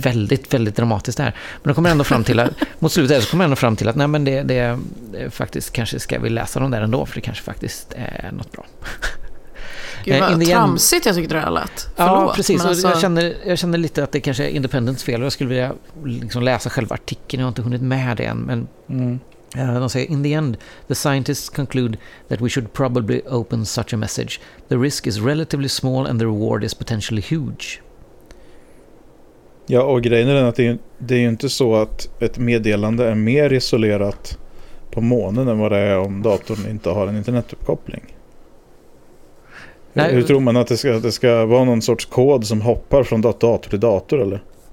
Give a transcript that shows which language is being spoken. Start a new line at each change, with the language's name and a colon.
Swedish: Väldigt, väldigt dramatiskt det här. Men då kommer ändå fram till att, mot slutet så kommer ändå fram till att nej, men det är faktiskt, kanske ska vi läsa dem där ändå, för det kanske faktiskt är något bra. Gud, vad tramsigt jag tycker det är lätt. Förlåt, ja, precis. Alltså... Jag känner lite att det kanske är Independents fel. Jag skulle vilja liksom läsa själva artikeln. Jag har inte hunnit med det än. Men de säger,
English: in the end, the scientists conclude that we should probably open such a message. The risk is relatively small and the reward is potentially huge.
Swedish: Ja, och grejen är att det är ju inte så att ett meddelande är mer isolerat på månen än vad det är om datorn inte har en internetuppkoppling. Nej. Hur tror man att det ska vara någon sorts kod som hoppar från dator till dator, eller?